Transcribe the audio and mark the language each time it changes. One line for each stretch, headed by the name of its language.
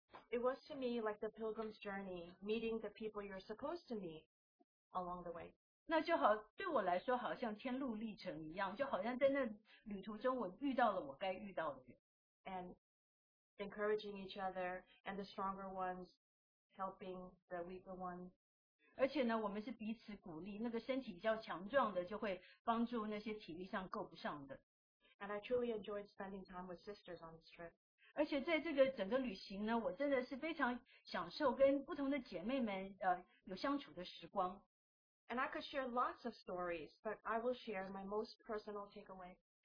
English: It was to me like the pilgrim's journey, meeting the people you're supposed to meet along the way.
Chinese: 那就好，对我来说好像天路历程一样，就好像在那旅途中我遇到了我该遇到的人。
English: And encouraging each other and the stronger ones helping the weaker ones.
Chinese: 而且呢，我们是彼此鼓励，那个身体比较强壮的就会帮助那些体力上够不上的。
English: And I truly enjoyed spending time with sisters on this trip.
Chinese: 而且在这个整个旅行呢，我真的是非常享受跟不同的姐妹们有相处的时光。
English: And I could share lots of stories, but I will share my most personal takeaway.